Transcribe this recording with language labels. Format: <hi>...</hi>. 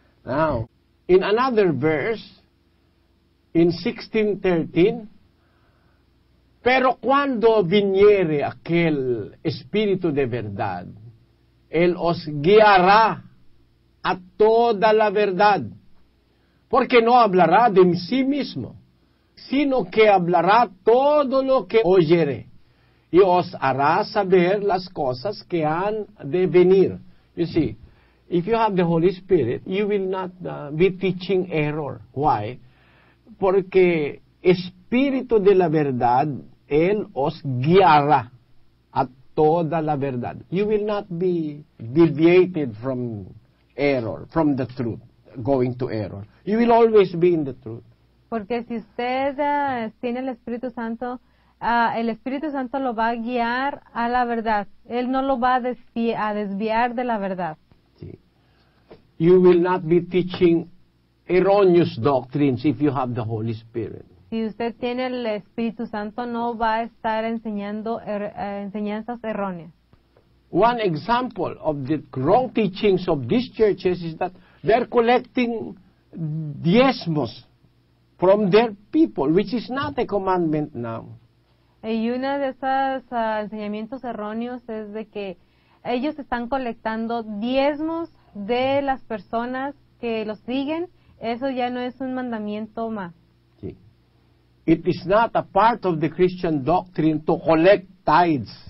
<en>Now, in another verse, in 16:13,</en> <es>pero cuando viniere aquel Espíritu de verdad, Él os guiará a toda la verdad, porque no hablará de sí mismo, sino que hablará todo lo que oyere, y os hará saber las cosas que han de venir.</es> <en>You see, if you have the Holy Spirit, you will not be teaching error. Why?</en> <es>Porque Espíritu de la verdad, Él os guiará a toda la verdad.</es> <en>You will not be deviated from error, from the truth, going to error. You will always be in the truth.</en> <es>Porque si usted tiene el Espíritu Santo lo va a guiar a la verdad. Él no lo va a desviar de la verdad. Sí.</es> <en>You will not be teaching erroneous doctrines if you have the Holy Spirit.</en> <es>Si usted tiene el Espíritu Santo, no va a estar enseñando enseñanzas erróneas.</es> <en>One example of the wrong teachings of these churches is that they're collecting diezmos from their people, which is not a commandment now.</en> <es>Y una de esas enseñamientos erróneos es de que ellos están colectando diezmos de las personas que los siguen. Eso ya no es un mandamiento más.</es> <en>It is not a part of the Christian doctrine to collect tithes.</en>